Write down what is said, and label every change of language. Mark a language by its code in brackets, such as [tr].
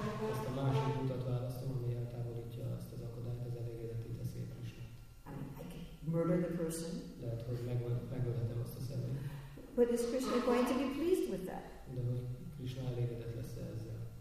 [hu] Ezt a másik utat választom, ami eltávolítja azt az akadályt, az elégedetté teszi a Krisnát. [en] Murder the person. [hu] Lehet, hogy megölhetem azt a személyt. [en] But is Krishna going to be pleased with that? [hu] De hogy Krishna elégedett lesz ezzel?